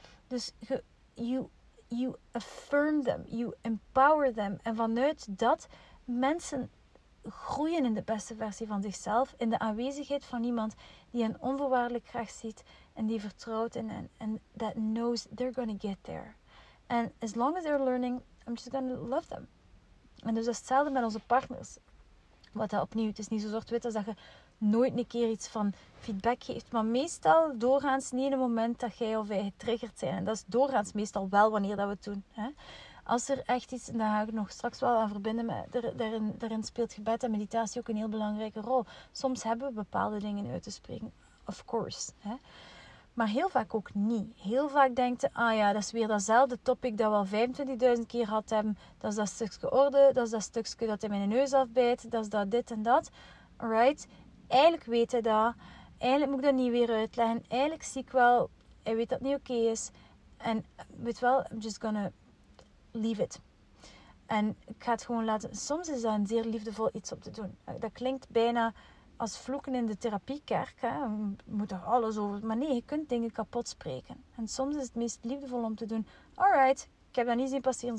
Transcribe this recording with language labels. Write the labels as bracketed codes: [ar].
[en] Dus you affirm them, you empower them. [nl] En vanuit dat, mensen groeien in de beste versie van zichzelf, in de aanwezigheid van iemand die hen onvoorwaardelijk graag ziet en die vertrouwt in hen. [en] En that knows they're gonna get there. And as long as they're learning, I'm just gonna love them. [nl] En dus dat is hetzelfde met onze partners. Wat dat opnieuw, het is niet zo zwart-wit als dat je nooit een keer iets van feedback geeft. Maar meestal doorgaans niet in het moment dat jij of wij getriggerd zijn. En dat is doorgaans meestal wel wanneer dat we het doen. Hè? Als er echt iets, en daar ga ik nog straks wel aan verbinden, maar daarin speelt gebed en meditatie ook een heel belangrijke rol. Soms hebben we bepaalde dingen uit te spreken, [en] of course. [nl] Hè? Maar heel vaak ook niet. Heel vaak denk je, ah ja, dat is weer datzelfde topic dat we al 25.000 keer gehad hebben. Dat is dat stukje orde, dat is dat stukje dat hij mijn neus afbijt, dat is dat dit en dat. Right? Eigenlijk weet hij dat. Eigenlijk moet ik dat niet weer uitleggen. Eigenlijk zie ik wel, hij weet dat het niet oké is. En weet wel, [en] I'm just gonna leave it. [nl] En ik ga het gewoon laten. Soms is dat een zeer liefdevol iets op te doen. Dat klinkt bijna als vloeken in de therapiekerk. Hè? We moeten alles over. Maar nee, je kunt dingen kapot spreken. En soms is het meest liefdevol om te doen. Alright, ik heb dat niet zien passeren.